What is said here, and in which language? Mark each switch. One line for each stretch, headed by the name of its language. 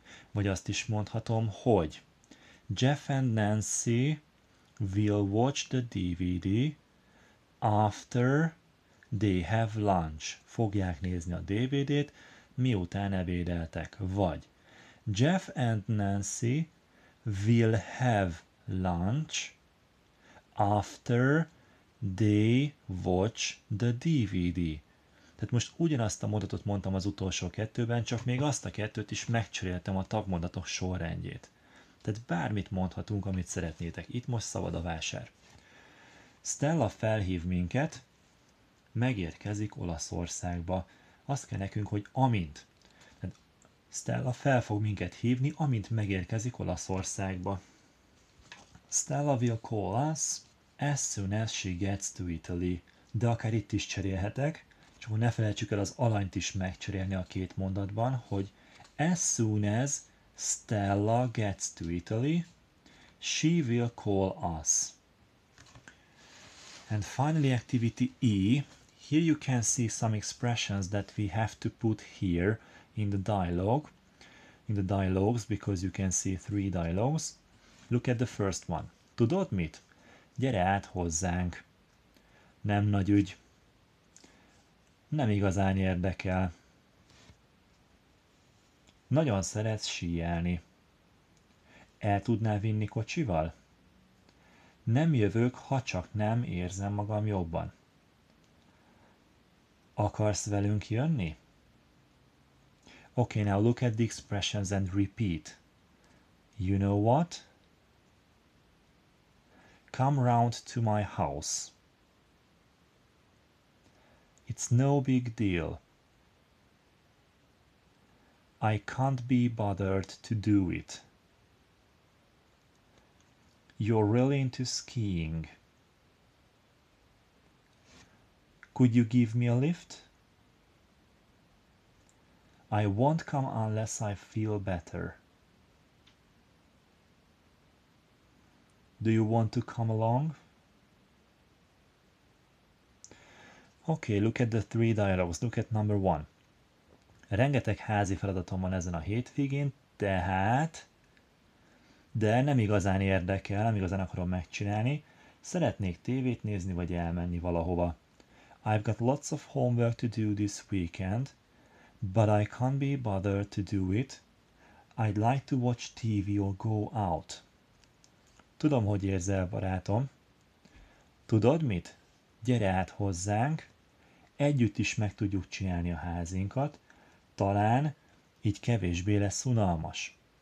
Hungarian: Vagy azt is mondhatom, hogy
English: Jeff and Nancy will watch the DVD after they have lunch.
Hungarian: Fogják nézni a DVD-t, miután ebédeltek. Vagy
English: Jeff and Nancy will have lunch after they watch the DVD.
Hungarian: Tehát most ugyanazt a mondatot mondtam az utolsó kettőben, csak még azt a kettőt is megcseréltem a tagmondatok sorrendjét. Tehát bármit mondhatunk, amit szeretnétek. Itt most szabad a vásár. Stella felhív minket, megérkezik Olaszországba. Azt kell nekünk, hogy amint. Tehát Stella fel fog minket hívni, amint megérkezik Olaszországba.
English: Stella will call us as soon as she gets to Italy.
Hungarian: De akár itt is cserélhetek. Csak ne felejtsük el az alanyt is megcserélni a két mondatban, hogy
English: as soon as Stella gets to Italy, she will call us. And finally activity E. Here you can see some expressions that we have to put here in the dialogue, in the dialogues, because you can see three dialogues. Look at the first one.
Hungarian: Tudod mit? Gyere át hozzánk. Nem nagy ügy. Nem igazán érdekel. Nagyon szeretsz síelni. El tudnál vinni kocsival? Nem jövök, ha csak nem érzem magam jobban. Akarsz velünk jönni?
English: Okay, now look at the expressions and repeat. You know what? Come round to my house. It's no big deal. I can't be bothered to do it. You're really into skiing. Could you give me a lift? I won't come unless I feel better. Do you want to come along? Okay, look at the three dialogues. Look at number one.
Hungarian: Rengeteg házi feladatom van ezen a hétvégén, tehát... De nem igazán érdekel, nem igazán akarom megcsinálni. Szeretnék tévét nézni, vagy elmenni valahova.
English: I've got lots of homework to do this weekend, but I can't be bothered to do it. I'd like to watch TV or go out.
Hungarian: Tudom, hogy érzel, barátom. Tudod mit? Gyere át hozzánk. Együtt is meg tudjuk csinálni a házinkat. Talán így kevésbé lesz unalmas.